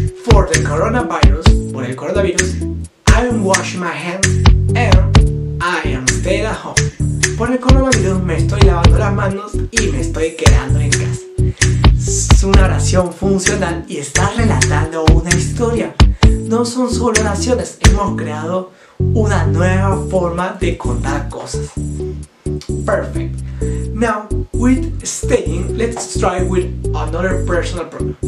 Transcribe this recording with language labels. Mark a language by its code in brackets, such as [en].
[en] For the coronavirus, [es] por el coronavirus, [en] I'm washing my hands and I am staying at home. [es] Por el coronavirus me estoy lavando las manos y me estoy quedando en casa. Es una oración funcional y está relatando una historia. No son solo oraciones, hemos creado una nueva forma de contar cosas. [en] Perfect. Now, with staying, let's try with another personal pronoun.